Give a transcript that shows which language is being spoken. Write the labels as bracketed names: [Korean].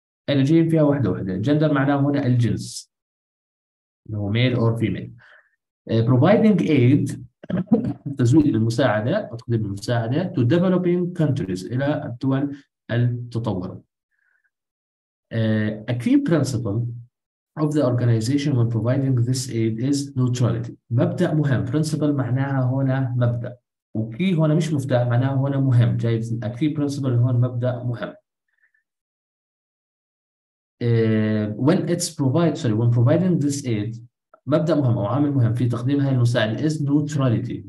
[Arabic] energy فيها واحدة واحدة. gender معناه هنا الجنس، هو male or female. providing aid تزويد المساعدة وتقديم المساعدة to developing countries إلى الدول التطورة. [English] a key principle of the organization when providing this aid is neutrality. [Arabic] مبدأ مهم. principle معناها هنا مبدأ، وكي هنا مش مفتاح، معناها هنا مهم. جايب a key principle هون مبدأ مهم. [English] When it's provide sorry when providing this aid، مبدأ مهم أو عامل مهم في تقديم هذه المساعدة is neutrality.